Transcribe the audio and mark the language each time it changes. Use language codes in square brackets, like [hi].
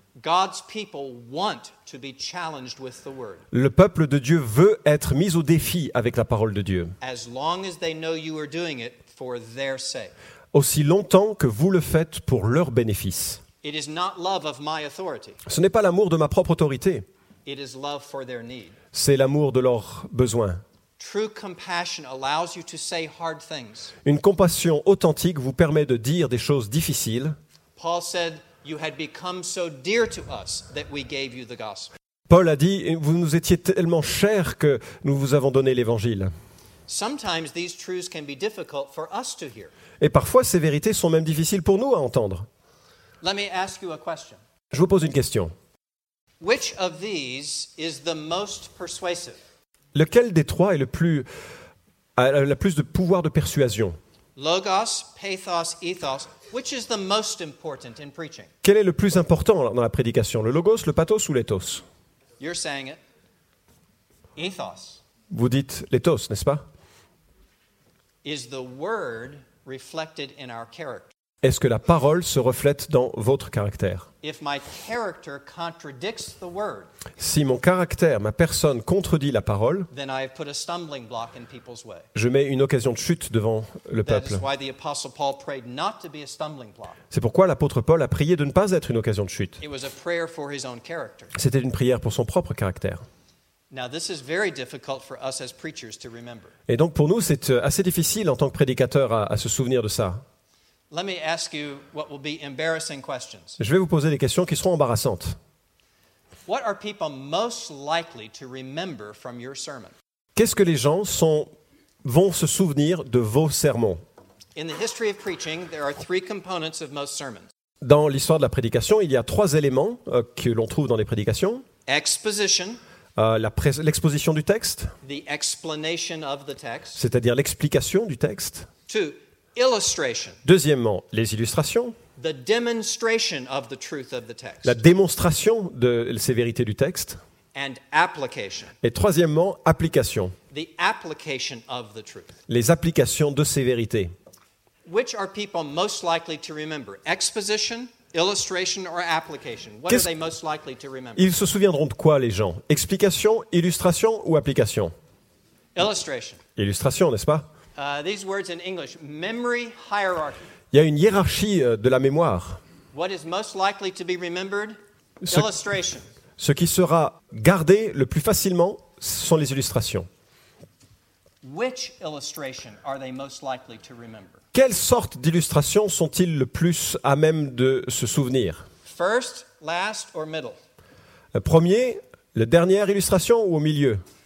[en] God's people want to be challenged with the word. [fr] Le peuple de Dieu veut être mis au défi avec la parole de Dieu. [en] As long as they know you are doing it for their sake. [fr] Aussi longtemps que vous le faites pour leur bénéfice. [en] It is not love of my authority. [fr] Ce n'est pas l'amour de ma propre autorité. [en] It is love for their need. [fr] C'est l'amour de leurs besoins. [en] True compassion allows you to say hard things. [fr] Une compassion authentique vous permet de dire des choses difficiles. [en] Paul said, "You had become so dear to us that we gave you the gospel." [fr] Paul a dit, vous nous étiez tellement chers que nous vous avons donné l'évangile. [en] Sometimes these truths can be difficult for us to hear. [fr] Et parfois ces vérités sont même difficiles pour nous à entendre. [en] Let me ask you a question. [fr] Je vous pose une question. [en] Which of these is the most persuasive? [fr] Lequel des trois est a le plus de pouvoir de persuasion? [en] Logos, pathos, ethos. Which is the most important in preaching? [fr] Quel est le plus important dans la prédication? Le logos, le pathos ou l'ethos? [en] You're saying it. Ethos. [fr] Vous dites l'ethos, n'est-ce pas? [en] Is the word reflected in our character? [fr] Est-ce que la parole se reflète dans votre caractère ? [en] If my character contradicts the word, [fr] si mon caractère, ma personne contredit la parole, [en] then I have put a stumbling block in people's way. [fr] Je mets une occasion de chute devant le peuple. [en] That is why the Apostle Paul prayed not to be a stumbling block. [fr] C'est pourquoi l'apôtre Paul a prié de ne pas être une occasion de chute. [en] It was a prayer for his own character. [fr] C'était une prière pour son propre caractère. [en] Now this is very difficult for us as preachers to remember. [fr] Et donc pour nous, c'est assez difficile en tant que prédicateur à se souvenir de ça. [en] Let me ask you what will be embarrassing questions. [fr] Je vais vous poser des questions qui seront embarrassantes. [en] What are people most likely to remember from your sermon? [fr] Qu'est-ce que les gens vont se souvenir de vos sermons? [en] In the history of preaching, there are three components of most sermons. [fr] Dans l'histoire de la prédication, il y a trois éléments que l'on trouve dans les prédications. [en] Exposition. [fr] L'exposition du texte. [en] The explanation of the text. [fr] C'est-à-dire l'explication du texte. [en] Two. Illustration. [fr] Deuxièmement, les illustrations. [en] The demonstration of the truth of the text. [fr] La démonstration de ces vérités du texte. [en] And application. [fr] Et troisièmement, application. [en] The application of the truth. [fr] Les applications de ces vérités. [en] Which are people most likely to remember? Exposition, illustration or application? What are they most likely to remember? [fr] Ils se souviendront de quoi, les gens? Explication, illustration ou application? [en] Illustration. [fr] Illustration, n'est-ce pas? [en] These words in English, memory hierarchy. [fr] Il y a une hiérarchie de la mémoire. [en] What is most likely to be remembered? Illustration. [fr] Ce qui sera gardé le plus facilement, ce sont les illustrations. [en] Which illustration are they most likely to remember? [fr] Quelle sorte d'illustrations sont-ils le plus à même de se souvenir? [en] First, last or middle? [fr] Le premier, la dernière illustration ou au milieu?